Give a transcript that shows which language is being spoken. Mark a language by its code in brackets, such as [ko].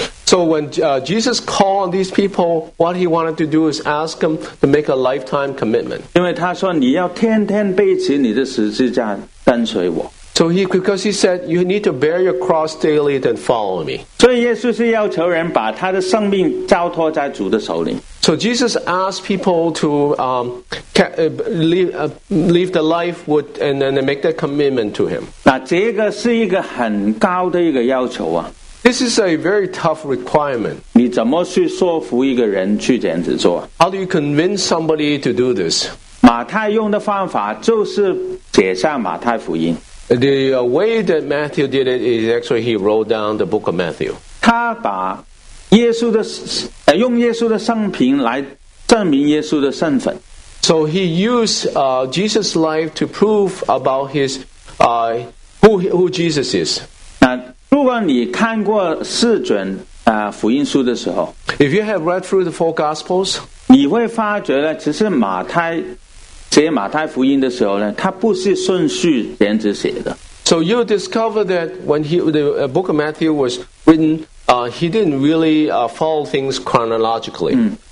[en] So when Jesus called these people, what he wanted to do is ask them to make a lifetime commitment. [zh] 因为他说你要天天背起你的十字架跟随我。 [en] So because he said you need to bear your cross daily then follow me. [zh] 所以耶稣是要求人把他的生命交托在主的手里。 [en] So Jesus asked people to leave the life with, and then make that commitment to him. [zh] 那这个是一个很高的一个要求啊。 [en] This is a very tough requirement. [zh] 你怎么去说服一个人去这样子做？ [en] How do you convince somebody to do this? [zh] 马太用的方法就是写下马太福音。 [en] The way that Matthew did it is actually he wrote down the book of Matthew. [zh] 他把耶稣的用耶稣的生平来证明耶稣的身份。 [en] So he used Jesus' life to prove about his who Jesus is. [zh] 那如果你看过四卷福音书的时候， [en] If you have read through the four gospels, [zh] 你会发觉呢，其实马太写马太福音的时候呢，它不是顺序这样子写的。 [en] So you discover that when the book of Matthew was written, he didn't really follow things chronologically.